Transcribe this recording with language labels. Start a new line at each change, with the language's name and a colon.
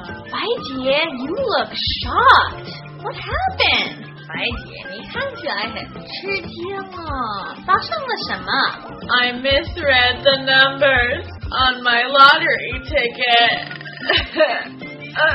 English: 白姐 ，You look shocked. What happened?
Chinese: 白姐，你看起来很吃惊啊，发生了什么
English: ？I misread the numbers on my lottery ticket.